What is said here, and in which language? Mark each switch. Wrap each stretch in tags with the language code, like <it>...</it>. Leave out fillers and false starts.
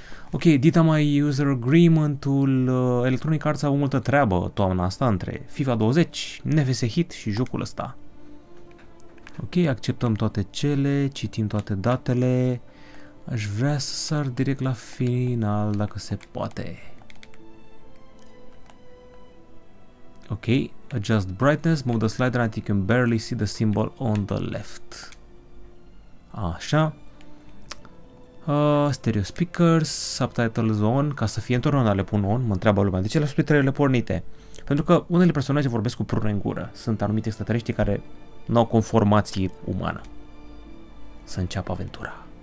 <ro>Ok, dita mai user agreement-ul, Electronic Arts a avut multă treabă toamna asta între FIFA 20, NFS Hit și jocul ăsta. Ok, acceptăm toate cele, citim toate datele. Aș vrea să sar direct la final, dacă se poate.</ro> <en>Ok, adjust brightness, move the slider until you can barely see the symbol on the left.</en> <ro>Așa.</ro> <en>Stereo speakers, subtitles on,</en> <ro>ca să fie întotdeauna le pun on, mă întreabă lumea, de ce le-a subtitrele pornite? Pentru că unele personaje vorbesc cu prune în gură, sunt anumite extraterestri care n-au conformație umană. Să înceapă aventura.</ro>